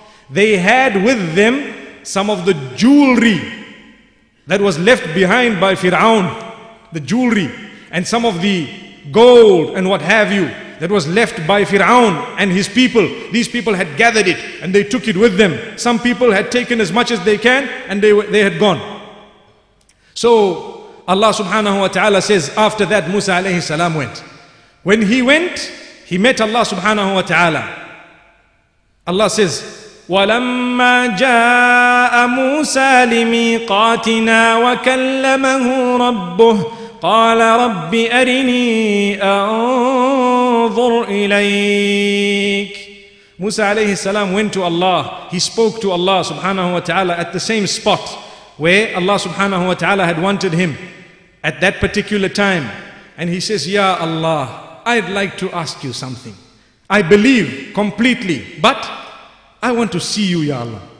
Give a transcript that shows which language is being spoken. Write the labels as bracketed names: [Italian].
[English] They had with them some of the jewelry that was left behind by Fir'aun, the jewelry, and some of the gold and what have you that was left by Fir'aun and his people. These people had gathered it and they took it with them. Some people had taken as much as they can and they had gone. So Allah subhanahu wa ta'ala says, after that Musa alayhi salam went. When he went, he met Allah subhanahu wa ta'ala. Allah says, [Arabic] وَلَمَّا جَاءَ مُوسَى لِمِيقَاتِنَا وَكَلَّمَهُ رَبُّهُ قَالَ رَبِّ أَرِنِي أَنظُرْ إِلَيْكَ. [English] Musa alayhi salam went to Allah. He spoke to Allah subhanahu wa ta'ala at the same spot where Allah subhanahu wa ta'ala had wanted him at that particular time. And he says, Ya Allah, I'd like to ask you something. I believe completely, but I want to see you, Ya Allah.